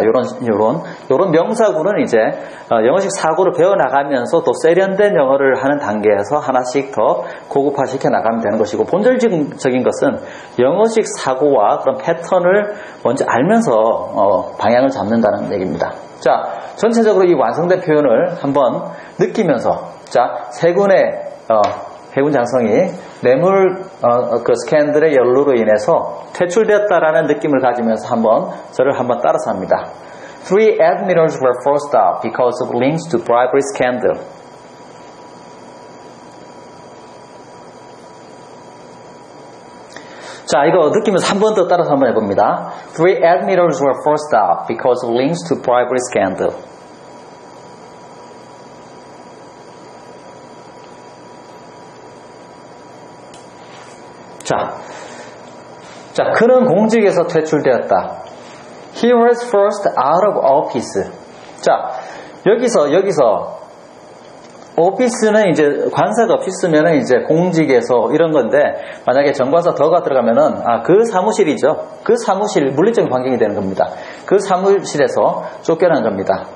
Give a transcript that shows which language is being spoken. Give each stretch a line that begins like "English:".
Korean: 이런 명사구는 이제 영어식 사고를 배워 나가면서 더 세련된 영어를 하는 단계에서 하나씩 더 고급화 시켜 나가면 되는 것이고 본질적인 것은 영어식 사고와 그런 패턴을 먼저 알면서 방향을 잡는다는 얘기입니다. 자, 전체적으로 이 완성된 표현을 한번 느끼면서 자, 세 군의 해군 장성이 뇌물 그 스캔들의 연루로 인해서 퇴출되었다라는 느낌을 가지면서 한번 저를 한번 따라서 합니다.
English: Three admirals were forced out because of links to bribery scandal.
Korean: 자, 이거 느끼면서 한 번 더 따라서 한번 해봅니다.
English: Three admirals were forced out because of links to bribery scandal.
Korean: 자, 그는 공직에서 퇴출되었다.
English: He was forced out of office.
Korean: 자, 여기서 오피스는 이제 관사가 없으면은 이제 공직에서 이런 건데, 만약에 전관사 더가 들어가면은 아, 그 사무실이죠. 그 사무실 물리적인 환경이 되는 겁니다. 그 사무실에서 쫓겨난 겁니다.